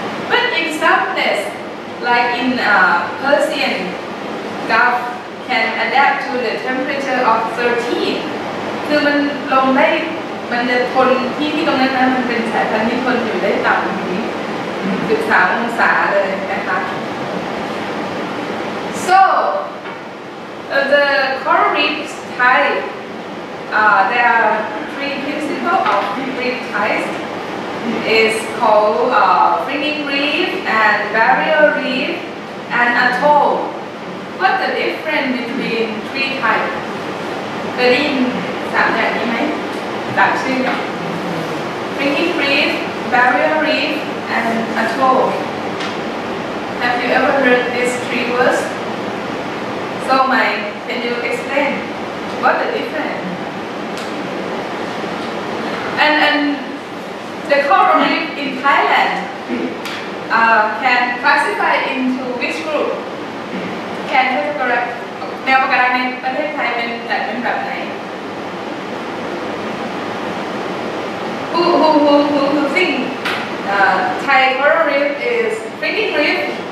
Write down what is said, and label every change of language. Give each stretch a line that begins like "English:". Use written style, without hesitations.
English: but in some places like in Persian Gulf can adapt to the temperature of 13
Thai: คือมันลงได้มันจะทนที่ที่ตรงนั้นนะมันเป็นสายพันธุ์ที่ทนอยู่ได้ต่ำศึกษาองศาเลยนะคะ
English: so The coral reefs tide, they are three principles of reef tides. It's called fringing reef and barrier reef and atoll. What's the difference between three tides? Green, that's it. Fringing reef, barrier reef, and atoll. Have you ever heard these three words? So, Mai, can you explain what the difference? And the coral reef in Thailand can classify into which group? Can you correct?
Thai: แนวปะการังในประเทศไทยเป็นจัดเป็นแบบไหน
English: Who think Thai coral reef is fringing reef?